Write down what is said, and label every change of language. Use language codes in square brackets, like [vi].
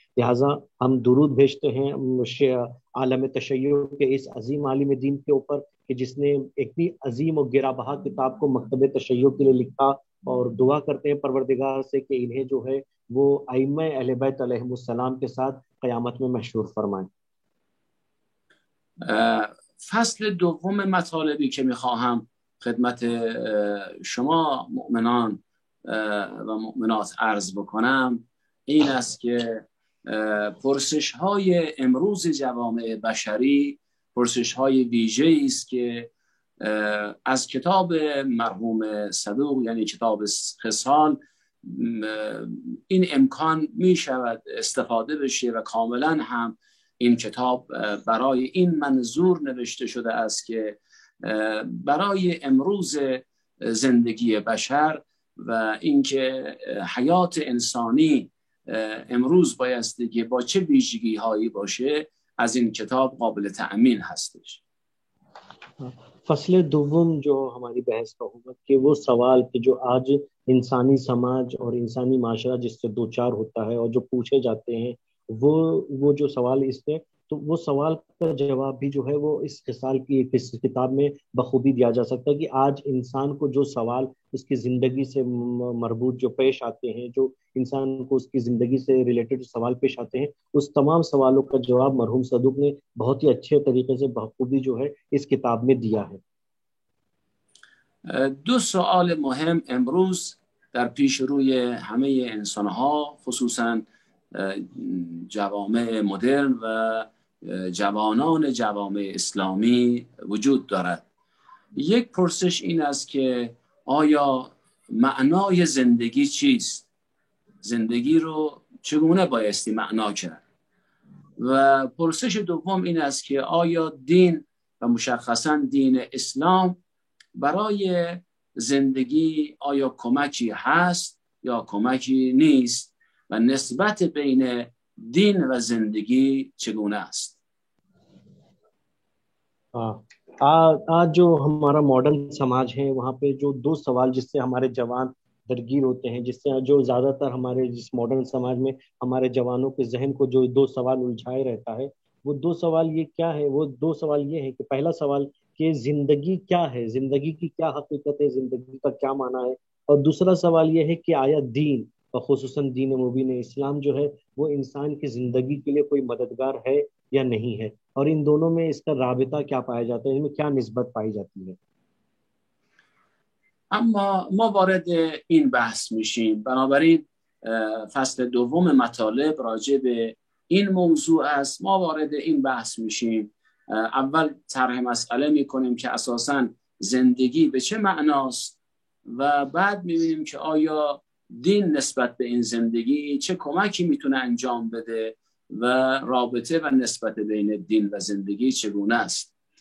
[ur] لہٰذا ہم درود بھیجتے ہیں عالم تشیع کے اس عظیم عالم دین کے اوپر کہ جس نے اتنی عظیم و گرا بہا کتاب کو مکتب تشیع کے لیے لکھا، اور دعا کرتے ہیں پروردگار سے کہ انہیں جو ہے وہ ائمہ اہل بیت علیہ السلام کے ساتھ قیامت میں محشور فرمائیں. [fa] فصل دوم مطالبی که میخواهم خدمت شما مؤمنان و مؤمنات عرض بکنم این است که پرسش های امروز جوامع بشری پرسش های ویژه است که از کتاب مرحوم صدوق یعنی کتاب خصال این امکان می شود استفاده بشه و کاملا هم این کتاب برای این منظور نوشته شده است که برای امروز زندگی بشر و اینکه حیات انسانی امروز بایستی که با چه ویژگی هایی باشه از این کتاب قابل تأمین هستش. [ur] فصل دوم جو ہماری بحث کا ہوگا کہ وہ سوال کہ جو آج انسانی سماج اور انسانی معاشرہ جس سے دوچار ہوتا ہے اور جو پوچھے جاتے ہیں وہ جو سوال اس پہ تو وہ سوال کا جواب بھی جو ہے وہ اس خصال کی اس کتاب میں بخوبی دیا جا سکتا ہے کہ آج انسان کو جو سوال اس کی زندگی سے مربوط جو پیش آتے ہیں جو انسان کو اس کی زندگی سے ریلیٹڈ سوال پیش آتے ہیں اس تمام سوالوں کا جواب مرحوم صدوق نے بہت ہی اچھے طریقے سے بخوبی جو ہے اس کتاب میں دیا ہے. [fa] دو سوال مهم امروز در پیش روی همه انسان ها خصوصا جوامع مدرن و جوانان جوامع اسلامی وجود دارد. یک پرسش این است که آیا معنای زندگی چیست؟ زندگی رو چگونه بایستی معنا کرد؟ و پرسش دوم این است که آیا دین و مشخصا دین اسلام برای زندگی آیا کمکی هست یا کمکی نیست و نسبت بین دین و زندگی چگونه است؟ [ur] آج جو ہمارا ماڈرن سماج ہے وہاں پہ جو دو سوال جس سے ہمارے جوان درگیر ہوتے ہیں جس سے جو زیادہ تر ہمارے جس ماڈرن سماج میں ہمارے جوانوں کے ذہن کو جو دو سوال الجھائے رہتا ہے وہ دو سوال یہ کیا ہے وہ دو سوال یہ ہے کہ پہلا سوال کہ زندگی کیا ہے زندگی کی کیا حقیقت ہے زندگی کا کیا معنی ہے اور دوسرا سوال یہ ہے کہ آیا دین اور خصوصاً دین مبین اسلام جو ہے وہ انسان کی زندگی کے لیے کوئی مددگار ہے یا نہیں ہے اور ان دونوں میں اس کا رابطہ کیا پایا جاتا ہے ان میں کیا نسبت پائی جاتی ہے. [fa] اما ما وارد این بحث میشیم، بنابراین فصل دوم مطالب راجع به این موضوع است. ما وارد این بحث میشیم، اول طرح مسئله میکنیم که اساسا زندگی به چه معناست و بعد میبینیم که آیا دین نسبت به این زندگی چه کمکی میتونه انجام بده و رابطه و نسبت بین دین و زندگی چگونه است.